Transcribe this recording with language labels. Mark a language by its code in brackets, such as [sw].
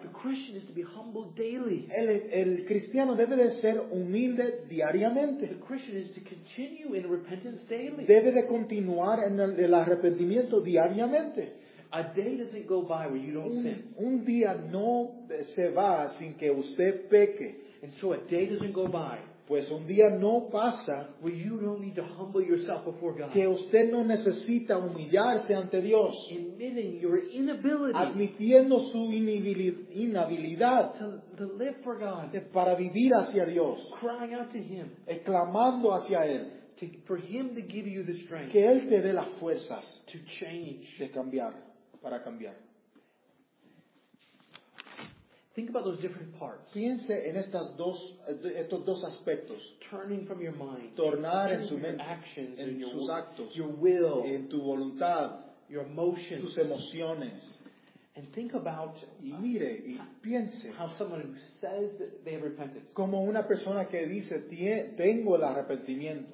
[en] The Christian is to be humble daily. [es] El cristiano debe de ser humilde diariamente. [en] The Christian is to continue in repentance daily. [es] Debe de continuar en el arrepentimiento diariamente. [en] A day doesn't go by where you don't sin. [es] Un día no se va sin que usted peque. [en] And so a day doesn't go by. [es] Pues un día no pasa [en] where you don't need to humble yourself before God. [es] Que usted no necesita humillarse ante Dios. [en] Admitting your inability, [es] admitiendo su inhabilidad [en] to live for God, [es] para vivir hacia Dios. [en] Crying out to him, [es] exclamando hacia Él. [en] For him to give you the strength, [es] que Él te dé las fuerzas [en] to change, [es] de cambiar, para cambiar. [en] Think about those different parts. [es] Piense en estas dos, estos dos aspectos. [en] Turning from your mind. [es] Tornar en su [en] your [es] mente. [en] Actions, [es] en [en] your [es] sus actos. [en] Your will. [es] En tu voluntad. [en] Your emotions. [es] Tus emociones. [en] And think about, [es] y mire, y piense. [en] How someone who says that they have repented. [es] Como una persona que dice, tengo el arrepentimiento.